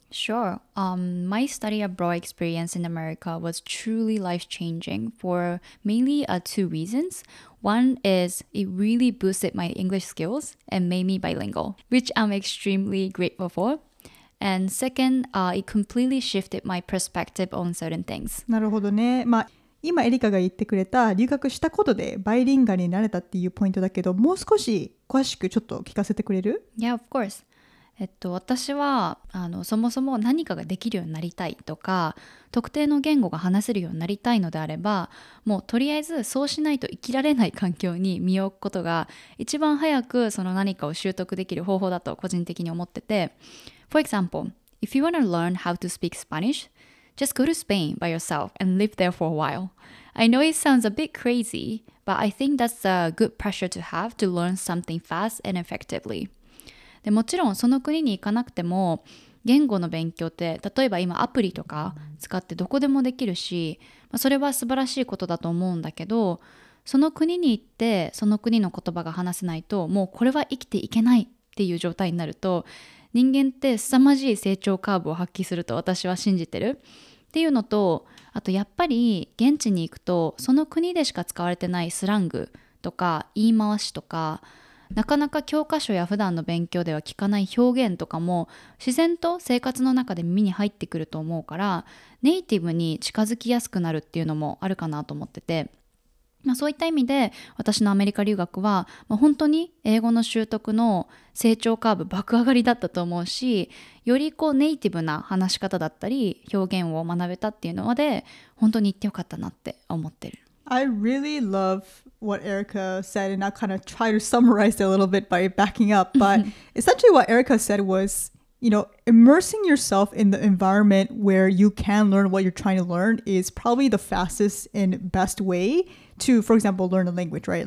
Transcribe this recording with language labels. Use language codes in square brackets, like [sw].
[en] Sure. My study abroad experience in America was truly life-changing for mainly two reasons. One is it really boosted my English skills and made me bilingual, which I'm extremely grateful for. And second, it completely shifted my perspective on certain things. [ja] なるほどね。まあ、今エリカが言ってくれた留学したことでバイリンガになれたっていうポイントだけど、もう少し詳しくちょっと聞かせてくれる？ [en] Yeah, of course. [ja] 私はそもそも何かができるようになりたいとか特定の言語が話せるようになりたいのであればもうとりあえずそうしないと生きられない環境に身を置くことが一番早くその何かを習得できる方法だと個人的に思ってて [en] For example, if you want to learn how to speak Spanish, just go to Spain by yourself and live there for a while. [ja] I know it sounds a bit crazy, but I think that's a good pressure to have to learn something fast and effectively. でもちろんその国に行かなくても言語の勉強って例えば今アプリとか使ってどこでもできるし、まあ、それは素晴らしいことだと思うんだけど、その国に行ってその国の言葉が話せないともうこれは生きていけないっていう状態になると、人間って凄まじい成長カーブを発揮すると私は信じてるっていうのと、あとやっぱり現地に行くとその国でしか使われてないスラングとか言い回しとか、なかなか教科書や普段の勉強では聞かない表現とかも自然と生活の中で耳に入ってくると思うから、ネイティブに近づきやすくなるっていうのもあるかなと思ってて、まあ、そういった意味で私のアメリカ留学は、まあ、本当に英語の習得の成長カーブ爆上がりだったと思うし、よりこうネイティブな話し方だったり表現を学べたっていうので本当に行ってよかったなって思ってる。 [en] I really love what Erika said, and I kind of try to summarize it a little bit by backing up, but essentially what Erika said was, you know, immersing yourself in the environment where you can learn what you're trying to learn is probably the fastest and best wayto, for example, learn a language, right?